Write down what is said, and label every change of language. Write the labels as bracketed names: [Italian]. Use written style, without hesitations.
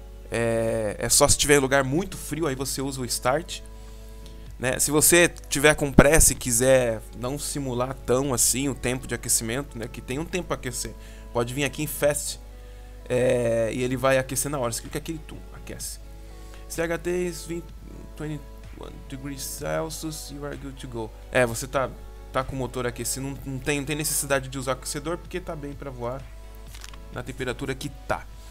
[Portuguese] é só se tiver em lugar muito frio, aí você usa o Start, né? Se você tiver com pressa e quiser não simular tão assim o tempo de aquecimento, né? Que tem um tempo pra aquecer. Pode vir aqui em Fast, e ele vai aquecer na hora. Você clica aqui e tum, aquece. [English] CHT 21 degrees Celsius, you are good to go. [Portuguese] É, você tá... tá com o motor aquecido, não tem necessidade de usar aquecedor, porque tá bem pra voar na temperatura que tá.